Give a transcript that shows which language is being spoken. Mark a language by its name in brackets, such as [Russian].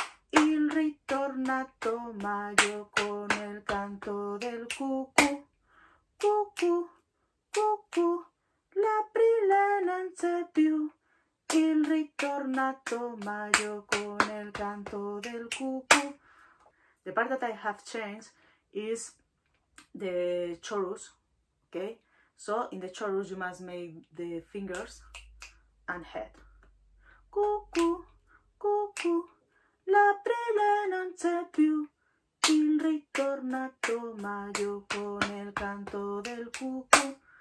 [Italian] Il ritornato maggio con il canto del cucù. Cucù. Cucu, la prile non c'è più, il ritornato mayo con el canto del cucu. [English] The part that I have changed is the chorus, okay? So in the chorus you must make the fingers and head. [Italian] Cucu, cucu, la prile non c'è più, il ritornato mayo con el canto del cucu.